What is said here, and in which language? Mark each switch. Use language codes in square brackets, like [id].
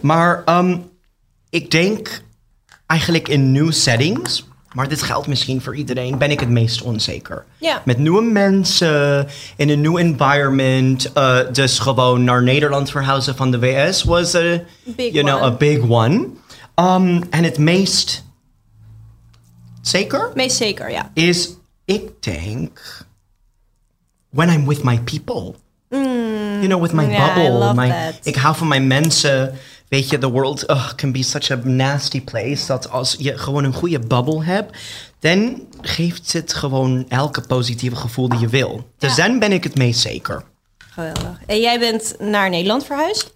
[nl] Maar ik denk eigenlijk in [en] new settings... [nl] maar dit geldt misschien voor iedereen, ben ik het meest onzeker. Ja. Met nieuwe mensen, in een nieuw environment. Dus gewoon naar Nederland verhuizen van de VS was [en] a big one. [nl] En het meest zeker? Meest zeker, ja. Is, ik denk, [en] when I'm with my people. Mm. You know, with my bubble. I love my, [nl] ik hou van mijn mensen... Weet je, [en] the world can be such a nasty place... [nl] dat als je gewoon een goede bubble hebt... dan geeft het gewoon elke positieve gevoel die je wil. Dus dan ben ik het meest zeker. Geweldig. En jij bent naar Nederland verhuisd?